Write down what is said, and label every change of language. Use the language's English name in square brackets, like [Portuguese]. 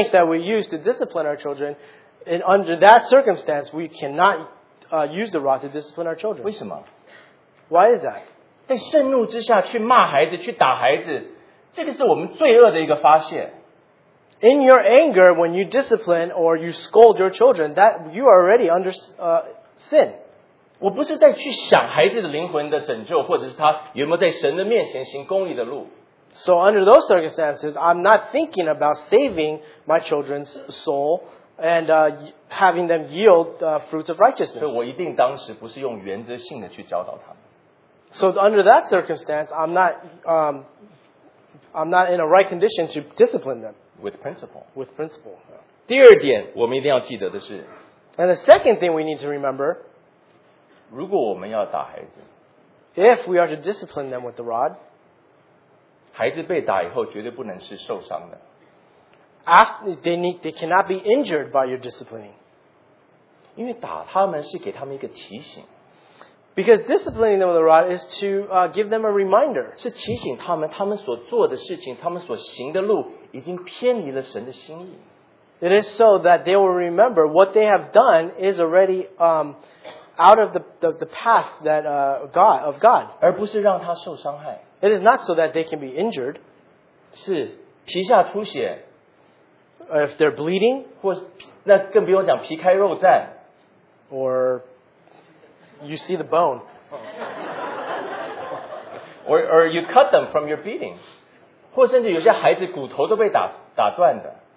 [English] that we use to discipline our children, and under that circumstance, we cannot use the rod to discipline our children. [Chinese] 为什么？ [English] Why is that? [Chinese] 在盛怒之下去骂孩子，去打孩子，这个是我们罪恶的一个发泄。 [English] In your anger, when you discipline or you scold your children, that you are already under sin. [Chinese] 我不是在去想孩子的灵魂的拯救，或者是他有没有在神的面前行公义的路。 [English] So under those circumstances, I'm not thinking about saving my children's soul and having them yield fruits of righteousness. [Chinese] 所以我一定当时不是用原则性的去教导他们。 [English] So under that circumstance, I'm not in a right condition to discipline them. With principle. [Chinese] 第二点我们一定要记得的是， [English] And the second thing we need to remember, [Chinese] 如果我们要打孩子， [English] If we are to discipline them with the rod, [Chinese] 孩子被打以后绝对不能是受伤的。 [English] They cannot be injured by your disciplining. [Chinese] 因为打他们是给他们一个提醒。 [English] Because disciplining them with the rod is to give them a reminder. [Chinese] 是提醒他们，他们所做的事情，他们所行的路已经偏离了神的心意。 [English] It is so that they will remember what they have done is already out of the path that God. [Chinese] 而不是让他受伤害。 [English] It is not so that they can be injured. [Chinese] 是皮下出血。 [English] If they're bleeding, [Chinese] 或那更不用讲皮开肉绽。 [English] Or you see the bone. Or you cut them from your beating. [Chinese] 或甚至有些孩子骨头都被打断的。